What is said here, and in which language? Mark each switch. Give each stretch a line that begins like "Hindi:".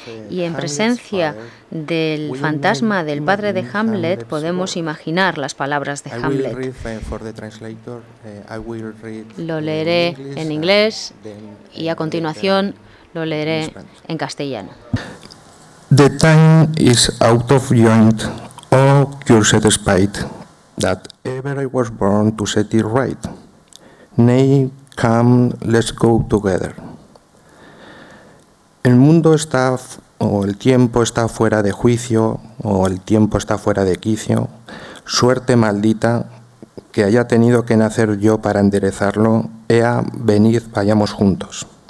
Spanish: Y en presencia del fantasma del padre de Hamlet, podemos imaginar las palabras de Hamlet. Lo leeré en inglés y a continuación lo leeré en castellano.
English: The time is out of joint, all cursed spite. that ever I was born to set it right. Nay, come, let's go together.
Spanish: El mundo está, o el tiempo está fuera de juicio, o el tiempo está fuera de quicio. Suerte maldita, que haya tenido que nacer yo para enderezarlo. Ea, venid, vayamos juntos.